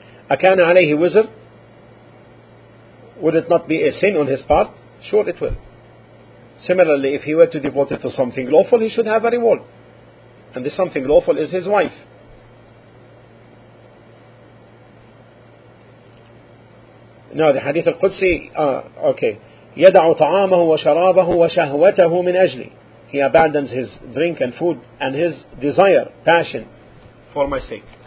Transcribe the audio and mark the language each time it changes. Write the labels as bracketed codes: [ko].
[ar] Akana alayhi wizr? [en] Would it not be a sin on his part? Sure it will. Similarly, if he were to devote it to something lawful, he should have a reward. And this something lawful is his wife. Now the hadith al-Qudsi, [ar] يَدَعُ طَعَامَهُ وَشَرَابَهُ وَشَهْوَتَهُ مِنْ أَجْلِي. [en] He abandons his drink and food and his desire, passion, for my sake.